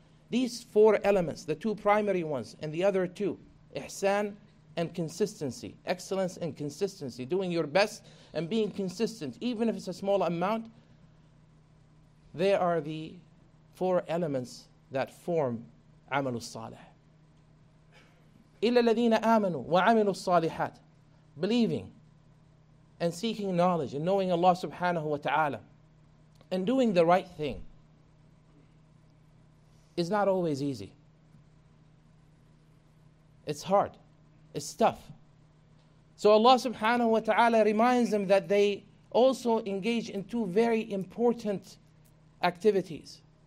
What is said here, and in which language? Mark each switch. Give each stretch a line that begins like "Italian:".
English: These four elements, the two primary ones and the other two, ihsan and consistency, excellence and consistency, doing your best and being consistent, even if it's a small amount, they are the four elements that form عمل الصالح.
Arabic: إلا الذين آمنوا وعملوا الصالحات.
English: Believing and seeking knowledge and knowing Allah subhanahu wa ta'ala and doing the right thing is not always easy. It's hard. It's tough. So Allah subhanahu wa ta'ala reminds them that they also engage in two very important activities.